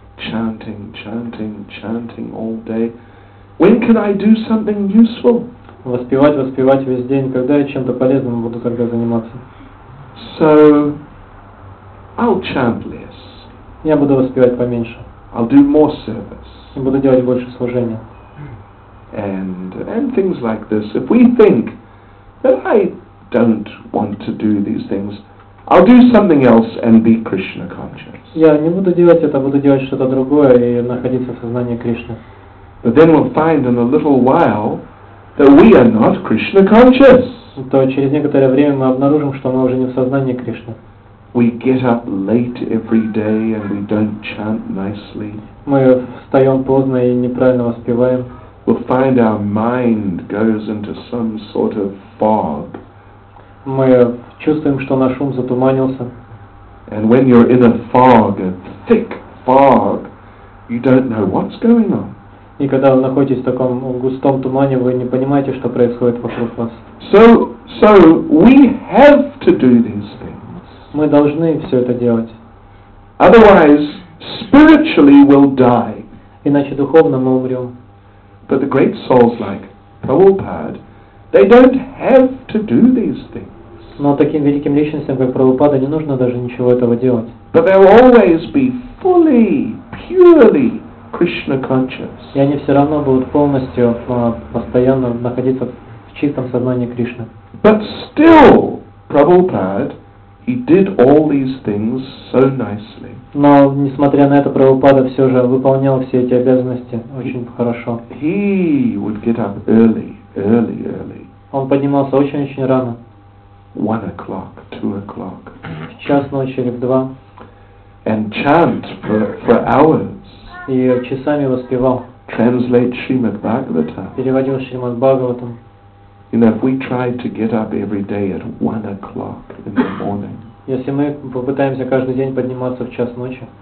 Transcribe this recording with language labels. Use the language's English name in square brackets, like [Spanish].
[English] Chanting, chanting, chanting all day. When can I do something useful? [Russian] Воспевать, воспевать весь день. Когда я чем-то полезным буду тогда заниматься? [English] So, I'll chant less. [Russian] Я буду воспевать поменьше. [English] I'll do more service. [Russian] И буду делать больше служения. [English] And things like this. If we think that I don't want to do these things, I'll do something else and be Krishna conscious. [Russian] Я не буду делать это, буду делать что-то другое и находиться в сознании Кришны. [English] But then we'll find in a little while that we are not Krishna conscious. [Russian] То через некоторое время мы обнаружим, что мы уже не в сознании Кришны. [English] We get up late every day and we don't chant nicely. [Russian] Мы встаем поздно и неправильно воспеваем. [English] We'll find our mind goes into some sort of fog. [Russian] Мы чувствуем, что наш ум затуманился. [English] And when you're in a fog, a thick fog, you don't know what's going on. [Russian] И когда вы находитесь в таком густом тумане, вы не понимаете, что происходит вокруг вас. [English] So we have to do these things. [Russian] Мы должны все это делать. [English] Otherwise, spiritually we'll die. [Russian] Иначе духовно мы умрем. [English] But the great souls like Prabhupada, they don't have to do these things. [Russian] Но таким великим личностям, как Прабхупада, не нужно даже ничего этого делать. [English] But they'll always be fully, purely Krishna conscious. [Russian] И они все равно будут полностью постоянно находиться в чистом сознании Кришны. [English] But still, Prabhupada, he did all these things so nicely. [Russian] Но несмотря на это, Прабхупада все же выполнял все эти обязанности очень хорошо. [English] He would get up early. [Russian] Он поднимался очень-очень рано. [English] 1 o'clock, 2 o'clock. [Russian] В час ночи или в два. [English] And chant for hours. [Russian] И часами воспевал. [English] Translate Shrimad Bhagavatam. [Russian] Переводил Шримад Бхагаватам. [English] You know, if we try to get up every day at 1 o'clock in the morning. [Russian] Если мы попытаемся каждый день подниматься в час ночи.